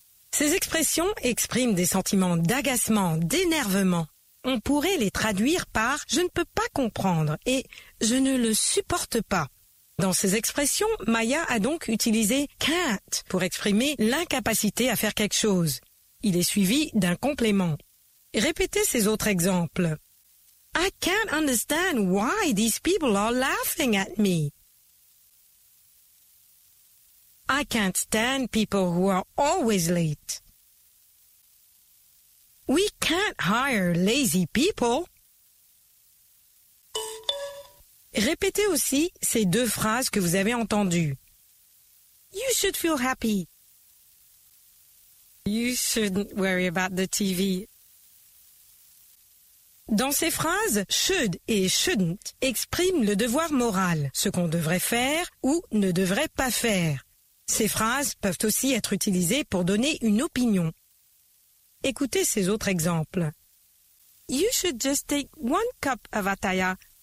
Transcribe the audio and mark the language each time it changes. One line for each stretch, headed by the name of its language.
French: Ces expressions expriment des sentiments d'agacement, d'énervement. on pourrait les traduire par « je ne peux pas comprendre » et « je ne le supporte pas ». Dans ces expressions, Maya a donc utilisé « can't » pour exprimer l'incapacité à faire quelque chose. Il est suivi d'un complément. Répétez ces autres exemples.
English: « I can't understand why these people are laughing at me. » I can't stand people who are always late. We can't hire lazy people.
French: Répétez aussi ces deux phrases que vous avez entendues.
English: You should feel happy. You shouldn't worry about the TV.
French: Dans ces phrases, should et shouldn't expriment le devoir moral, ce qu'on devrait faire ou ne devrait pas faire. Ces phrases peuvent aussi être utilisées pour donner une opinion. Écoutez ces autres exemples.
English: You should just take one cup of Ataya.